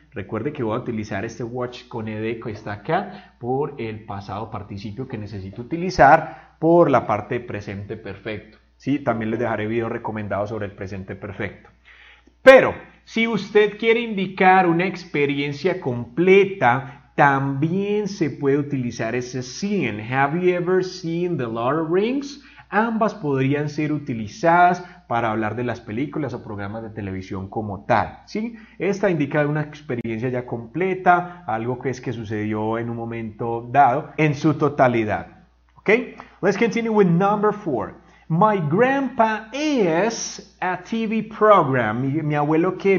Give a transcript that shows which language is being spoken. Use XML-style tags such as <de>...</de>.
<es>Recuerde que voy a utilizar este watch con ed que está acá por el pasado participio que necesito utilizar por la parte de presente perfecto, ¿sí? También les dejaré videos recomendados sobre el presente perfecto. Pero si usted quiere indicar una experiencia completa, también se puede utilizar ese seen.</es> <en>Have you ever seen The Lord of Rings?</en> <es>Ambas podrían ser utilizadas para hablar de las películas o programas de televisión como tal. ¿Sí? Esta indica una experiencia ya completa, algo que es que sucedió en un momento dado, en su totalidad.</es> <en>¿Okay? Let's continue with number four. My grandpa is a TV program.</en> <es>Mi abuelo qué?</es>